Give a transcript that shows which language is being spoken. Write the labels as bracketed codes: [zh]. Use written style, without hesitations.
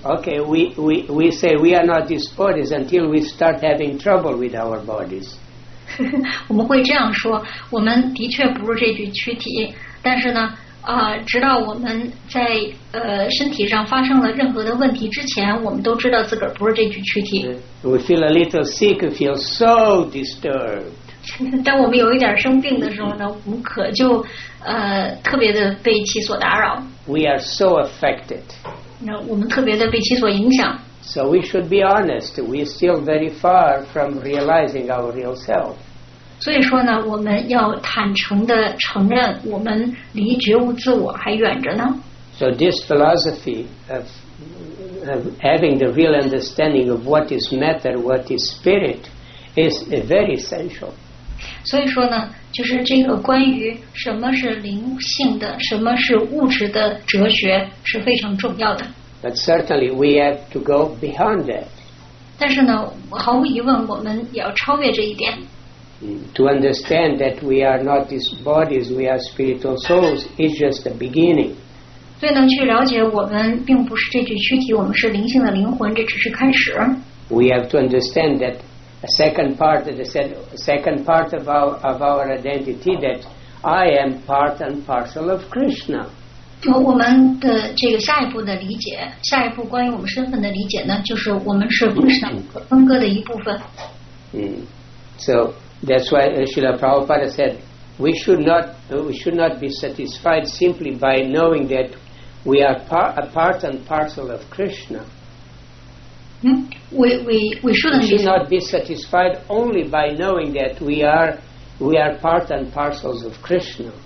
[en] Okay, we say we are not these bodies until we start having trouble with our bodies. [zh] 我们会这样说，我们的确不是这具躯体，但是呢直到我们在身体上发生了任何的问题之前，我们都知道自个儿不是这具躯体。 [en] We feel a little sick, feel so disturbed. [zh] 当我们有一点生病的时候呢，我们可就特别的被其所打扰。 [en] We are so affected. [zh] 那我们特别的被其所影响。 [en] So we should be honest. We are still very far from realizing our real self. [zh] 所以说呢，我们要坦诚地承认，我们离觉悟自我还远着呢。 [en] So this philosophy of having the real understanding of what is matter, what is spirit, is very essential. [zh] 所以说呢，就是这个关于什么是灵性的，什么是物质的哲学是非常重要的。 [en] But certainly we have to go beyond that. [zh] 但是呢，毫无疑问，我们也要超越这一点。 [en] To understand that we are not these bodies, we are spiritual souls, is just the beginning. [zh] 所以呢，去了解我们并不是这具躯体，我们是灵性的灵魂，这只是开始。 [en] We have to understand that a second part, of our identity, that I am part and parcel of Krishna. [zh] 我们的这个下一步的理解，下一步关于我们身份的理解呢，就是我们是不是分割的一部分。 [en] So that's why Srila Prabhupada said, we should not be satisfied simply by knowing that we are a part and parcel of Krishna. We should not be satisfied only by knowing that we are part and parcels of Krishna.